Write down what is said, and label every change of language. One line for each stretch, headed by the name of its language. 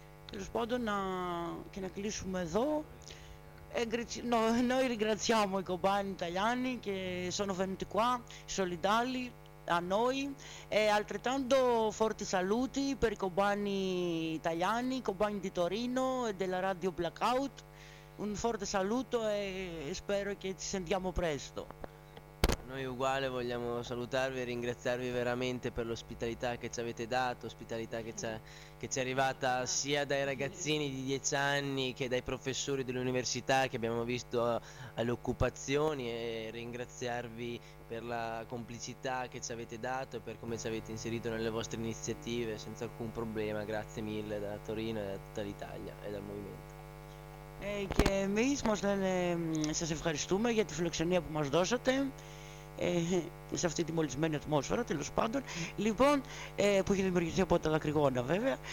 Greek: Τέλος πάντων, και να κλείσουμε εδώ.
Italian: Noi ringraziamo i compagni italiani che sono venuti qua, solidali a noi, altrettanto forti saluti per i compagni italiani, i compagni di Torino e della Radio Blackout. Un forte saluto e spero che ci sentiamo presto. Noi uguale vogliamo salutarvi e ringraziarvi veramente per l'ospitalità che ci avete dato, ospitalità che ci è arrivata sia dai ragazzini di 10 anni che dai professori dell'università che abbiamo visto alle occupazioni, e ringraziarvi per la complicità che ci avete dato e per come ci avete inserito nelle vostre iniziative senza alcun problema. Grazie mille da Torino e da tutta l'Italia e dal Movimento.
Greek: Και εμείς μας λένε σας ευχαριστούμε για τη φιλοξενία που μας δώσατε σε αυτή τη μολυσμένη ατμόσφαιρα, τέλος πάντων, λοιπόν, που έχει δημιουργηθεί από τα Λακρυγόνα βέβαια.